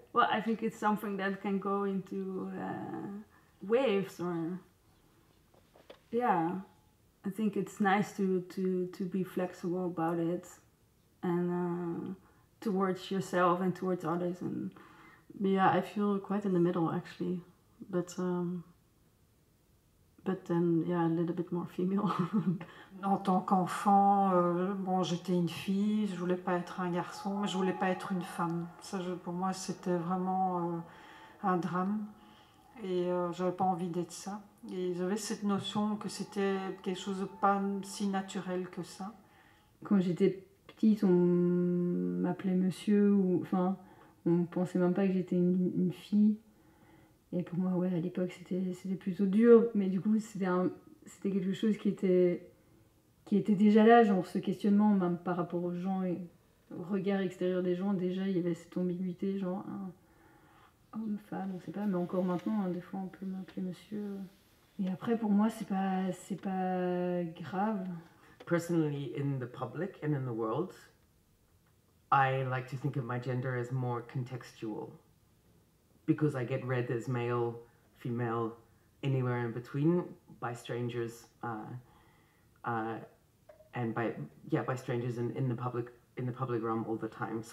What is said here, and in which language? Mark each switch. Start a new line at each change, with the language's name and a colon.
English: Well, I think it's something that can go into waves, or yeah, I think it's nice to be flexible about it, and towards yourself and towards others. And yeah, I feel quite in the middle actually, but But then, yeah, a little bit more female.
French: En tant qu'enfant, bon, j'étais une fille, je voulais pas être un garçon, mais je voulais pas être une femme. Ça, pour moi, c'était vraiment un drame. Et j'avais pas envie d'être ça. Et j'avais cette notion que c'était quelque chose de pas si naturel que ça. Quand j'étais petite, on m'appelait monsieur, ou enfin, on pensait même pas que j'étais une fille. Et pour moi, ouais, à l'époque, c'était plutôt dur, mais du coup, c'était quelque chose qui était déjà là, genre ce questionnement, même par rapport aux gens et au regard extérieur des gens. Déjà, il y avait cette ambiguïté, genre hein, homme, femme, on sait pas, mais encore maintenant, hein, des fois, on peut m'appeler monsieur. Et après, pour moi, c'est pas grave.
English: Personally, in the public and in the world, I like to think of my gender as more contextual. Because I get read as male, female, anywhere in between by strangers, by strangers and in the public realm all the time.